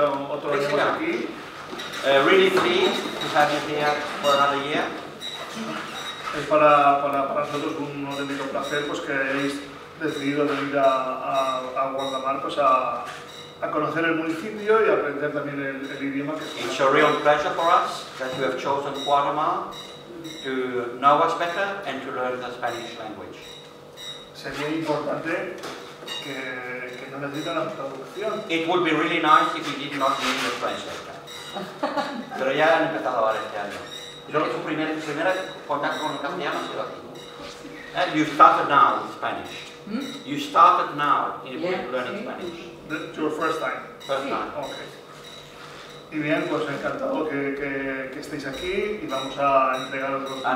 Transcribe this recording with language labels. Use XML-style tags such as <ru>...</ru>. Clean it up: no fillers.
<en>really pleased to have you here for another year.</en> <es>Es para nosotros un auténtico placer pues que hayáis decidido venir a Guardamar pues a conocer el municipio y aprender también el idioma. Que</es> <en>it's a real pleasure for us that you have chosen Guardamar to know us better and to learn the Spanish language.</en> <es>Sería importante que no necesitan la traducción.</es> <en>It would be really nice if you did not need the translator.</en> <es>Pero ya han empezado a hablar este año. Yo tu primer contacto con el castellano ha sido aquí.</es> <en>You started now in Spanish. You started now in learning Spanish. Your first time. First time.</en> <es>Okay. Y bien, pues encantado que estéis aquí y vamos a entregar otros diplomas.</es>